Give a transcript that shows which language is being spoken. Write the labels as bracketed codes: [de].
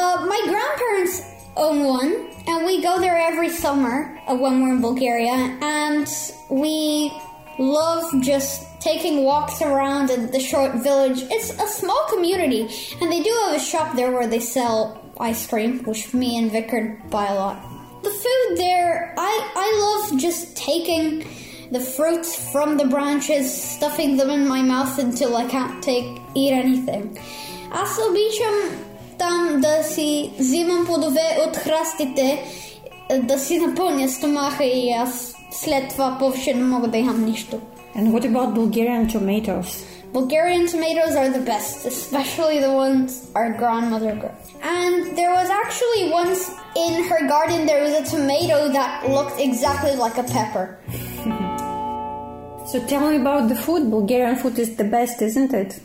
[en] My grandparents own one and we go there every summer when we're in Bulgaria and we love just taking walks around in the short village. It's a small community and they do have a shop there where they sell ice cream, which me and Vicar buy a lot. The food there, I love just taking the fruits from the branches, stuffing them in my mouth until I can't eat anything. [bg] Аз обичам там да си взимам плодове от храстите, да си напълня стомаха и аз след това повече не мога да ям нищо. [en] And what about Bulgarian tomatoes? Bulgarian tomatoes are the best, especially the ones our grandmother grew. And there was actually once in her garden, there was a tomato that looked exactly like a pepper. So tell me about the food. Bulgarian food is the best, isn't it?